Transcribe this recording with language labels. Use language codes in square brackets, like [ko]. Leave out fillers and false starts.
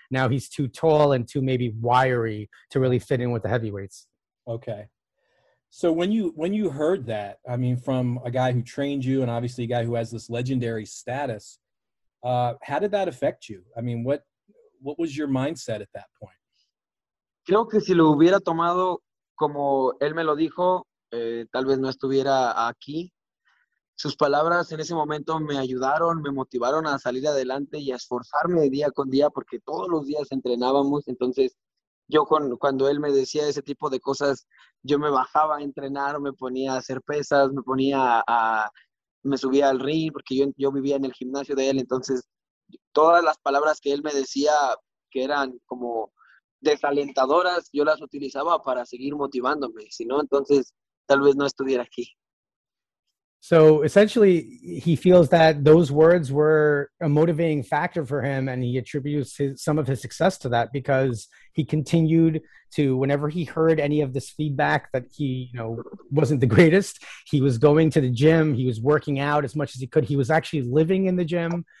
[en] Now he's too tall and too maybe wiry to really fit in with the heavyweights. Okay. So when you heard that, I mean, from a guy who trained you and obviously a guy who has this legendary status, how did that affect you? I mean, what was your mindset at that point? [es] Creo que si lo hubiera tomado como él me lo dijo, tal vez no estuviera aquí. Sus palabras en ese momento me ayudaron, me motivaron a salir adelante y a esforzarme día con día porque todos los días entrenábamos, entonces yo cuando él me decía ese tipo de cosas, yo me bajaba a entrenar, me ponía a hacer pesas, me ponía a me subía al ring porque yo vivía en el gimnasio de él. Entonces, todas las palabras que él me decía que eran como desalentadoras, yo las utilizaba para seguir motivándome. Si no, entonces, tal vez no estuviera aquí. [en] So essentially, he feels that those words were a motivating factor for him, and he attributes some of his success to that because he continued to, whenever he heard any of this feedback that he, you know, wasn't the greatest, he was going to the gym, he was working out as much as he could. He was actually living in the gym.